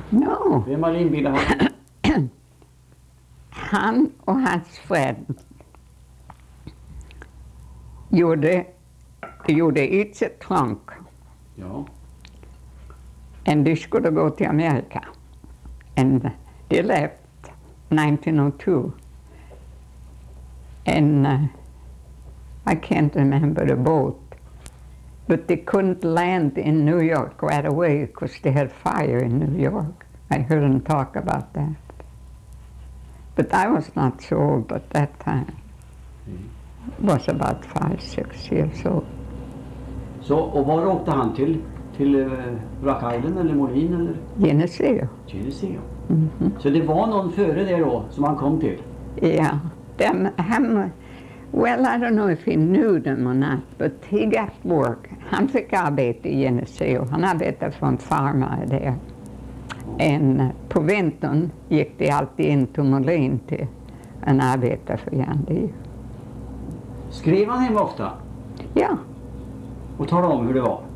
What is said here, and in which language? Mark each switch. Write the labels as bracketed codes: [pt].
[en] No. [sv] Vem har inbjudit han? Han och hans vän gjorde ett trunk. Ja. And de skulle gå till Amerika. [en] And they left 1902. And I can't remember the boat. But they couldn't land in New York right away because they had fire in New York. I heard them talk about that. But I was not so old at that time. Mm. Was about 5-6 years old. [sv] Så, och var åkte han till? Till Rock Island eller Molin eller? Geneseo. Geneseo. Mm-hmm. Så det var någon före det då som han kom till? Ja. Yeah. [en] Them, him, well, I don't know if he knew them or not, but he got work. [sv] Han fick arbete i Geneseo. Han arbetade för en farmer där. En på vintern gick det alltid in till Molin till en arbetare för Jandy. Skrev han hem ofta? Ja. Och talade om hur det var?